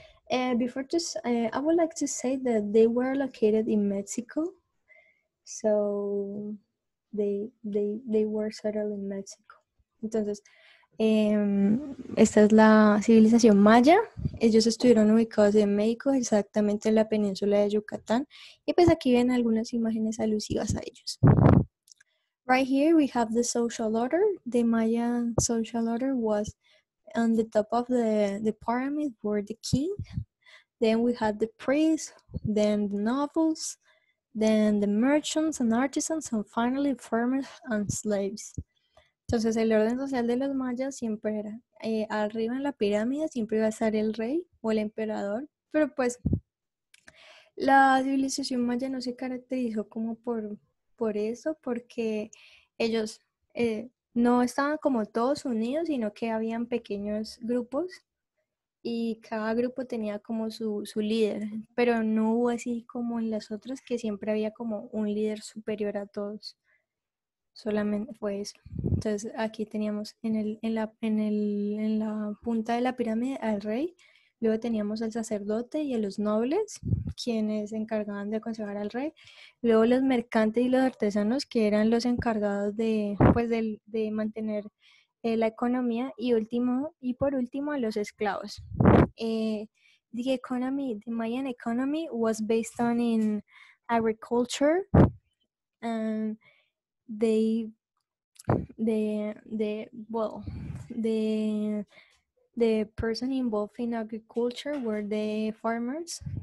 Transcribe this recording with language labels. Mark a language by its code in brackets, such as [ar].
[en] I would like to say that they were located in Mexico, so they were settled in Mexico. [es] Entonces, esta es la civilización maya. Ellos estuvieron ubicados en México, exactamente en la península de Yucatán. Y pues aquí ven algunas imágenes alusivas a ellos. [en] Right here we have the social order. The Mayan social order was on the top of the pyramid, were the king. Then we had the priests, then the nobles, then the merchants and artisans, and finally farmers and slaves. [es] Entonces el orden social de los mayas siempre era, arriba en la pirámide siempre iba a estar el rey o el emperador, pero pues la civilización maya no se caracterizó como por eso, porque ellos no estaban como todos unidos, sino que habían pequeños grupos. Y cada grupo tenía como su líder, pero no hubo así como en las otras, que siempre había como un líder superior a todos. Solamente fue eso. Entonces aquí teníamos en la punta de la pirámide al rey, luego teníamos al sacerdote y a los nobles, quienes se encargaban de aconsejar al rey, luego los mercantes y los artesanos, que eran los encargados de mantener la economía, y por último a los esclavos. [en] The Mayan economy was based on in agriculture, and the person involved in agriculture were the farmers.